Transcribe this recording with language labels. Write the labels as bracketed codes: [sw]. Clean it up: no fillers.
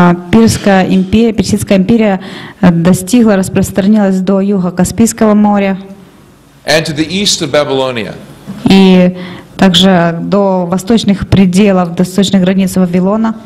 [ru] Персидская империя достигла, распространилась до юга Каспийского моря. [en] And to the east of Babylonia. [ru] И также до восточных пределов, до восточных границ Вавилона.